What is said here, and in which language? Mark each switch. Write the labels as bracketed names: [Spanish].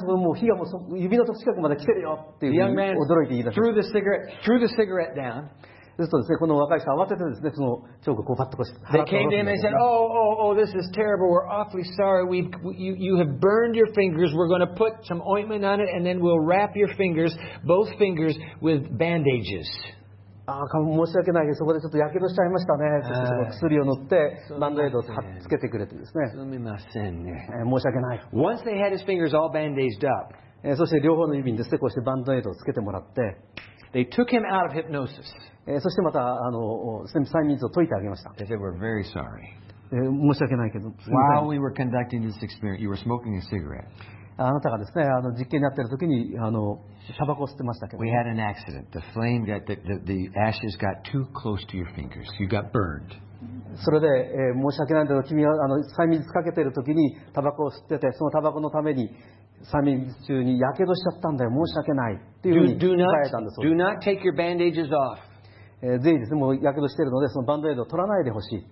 [Japanese] もう火がもう指の近くまで来てるよっていうふうに驚いて言い出しました。 [English] Threw the cigarette. Threw the cigarette down. [Japanese] ですとですね、この若い人慌ててですね、そのチョークをこうパッとこうして。 [English] They came to him and said, Oh, this is terrible. We're awfully sorry. You have burned your fingers. We're going to put some ointment on it, and then we'll wrap your fingers, both fingers, with bandages. [Japanese] 申し訳ないけど、そこでちょっと火傷しちゃいましたね。その薬を塗って、バンドエイドをつけてくれてですね。すみませんね。申し訳ない。 [English] Once they had his fingers all bandaged up, [Japanese] そして両方の指にですね、こうしてバンドエイドをつけてもらって、 [English] they took him out of hypnosis. [Japanese] そしてまた、催眠術を解いてあげました。 [English] They said, we're very sorry. [Japanese] 申し訳ないけど、 [English] While we were conducting this experiment, you were smoking a cigarette. [Japanese] あなたがですね、実験にあってる時に、タバコを吸ってましたけど。 [English] We had an accident. The flame got the ashes got too close to your fingers. You got burned. [Japanese] それで、申し訳ないんだけど、君は催眠術かけてる時にタバコを吸ってて、そのタバコのために催眠術中に火傷しちゃったんだよ。申し訳ないっていうふうに伝えたんです。 [English] Do not take your bandages off. [Japanese] ぜひですね、もう火傷してるので、そのバンドエイドを取らないでほしい。